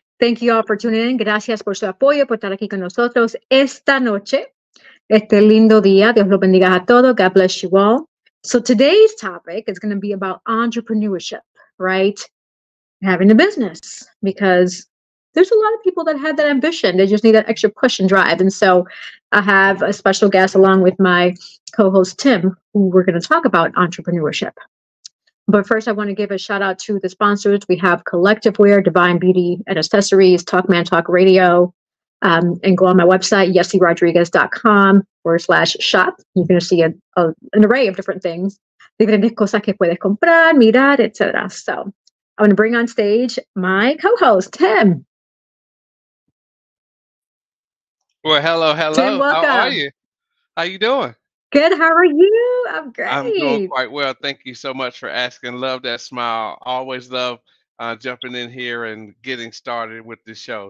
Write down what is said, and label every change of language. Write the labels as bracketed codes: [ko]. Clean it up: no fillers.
[en] Thank you all for tuning in, [es] gracias por su apoyo, por estar aquí con nosotros esta noche, este lindo día, Dios los bendiga a todos, [en] God bless you all. So today's topic is going to be about entrepreneurship, right? Having a business, because there's a lot of people that have that ambition. They just need that extra push and drive. And so I have a special guest along with my co-host, Tim, who we're going to talk about entrepreneurship. But first, I want to give a shout out to the sponsors. We have Collective Wear, Divine Beauty and Accessories, Talk Man Talk Radio, and go on my website, yessirodriguez.com/shop. You're going to see an array of different things. [es] Diferentes cosas que puedes comprar, mirar, etc. [en] So I'm going to bring on stage my co-host, Tim. Well, hello, hello. Tim, welcome. How are you? How you doing? Good. How are you? I'm great. I'm doing quite well. Thank you so much for asking. Love that smile. Always love jumping in here and getting started with the show.